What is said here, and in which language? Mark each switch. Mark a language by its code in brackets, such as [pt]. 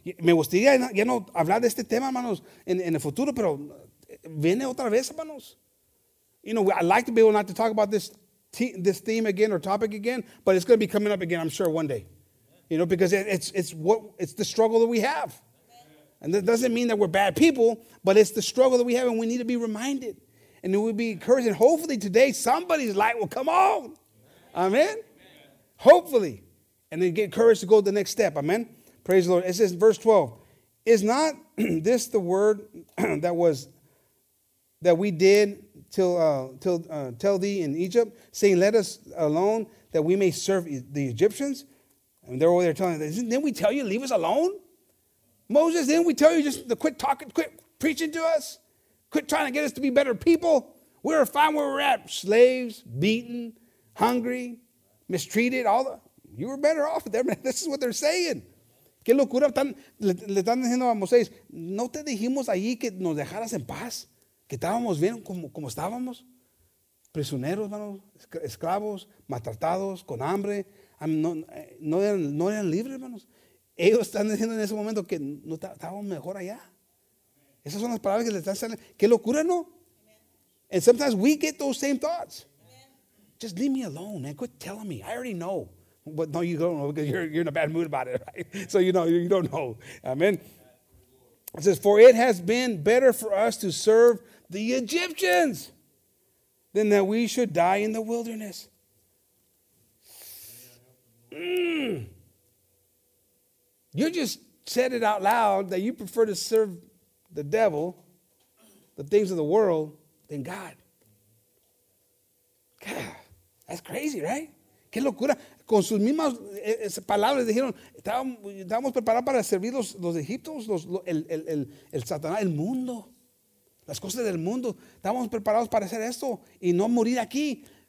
[es] Me gustaría ya no hablar de este tema, hermanos, en el futuro, pero viene otra vez, hermanos. [en] You know, I'd like to be able not to talk about this theme again or topic again, but it's going to be coming up again, I'm sure, one day. Amen. You know, because it's the struggle that we have. Amen. And that doesn't mean that we're bad people, but it's the struggle that we have, and we need to be reminded. And it will be encouraged. And hopefully today, somebody's light will come on. Amen? Amen. Hopefully. And then get encouraged to go to the next step. Amen? Praise the Lord. It says, verse 12, is not this the word that we did tell thee in Egypt, saying, let us alone that we may serve the Egyptians? And they're over there telling them, didn't we tell you leave us alone? Moses, didn't we tell you just to quit talking, quit preaching to us? Quit trying to get us to be better people? We're fine where we're at, slaves, beaten, hungry, mistreated, all the, you were better off there, man. This is what they're saying. [es] Qué locura, le están diciendo a Moisés, ¿no te dijimos allí que nos dejaras en paz? Que estábamos bien como estábamos. Prisioneros, hermano, esclavos, maltratados, con hambre. No eran libres, hermanos. Ellos están diciendo en ese momento que no estábamos mejor allá. Esas son las palabras que le están saliendo. Qué locura, ¿no? [en] And sometimes we get those same thoughts. Just leave me alone, man. Quit telling me. I already know. But no, you don't know because you're in a bad mood about it, right? So, you know, you don't know. Amen. It says, for it has been better for us to serve the Egyptians than that we should die in the wilderness. You just said it out loud that you prefer to serve the devil, the things of the world, than God. God, that's crazy, right? [es] Qué locura. Con sus mismas palabras dijeron, estábamos preparados para servir los egipcios, el Satanás, el mundo, las cosas del mundo. Estábamos preparados para hacer esto y no morir aquí.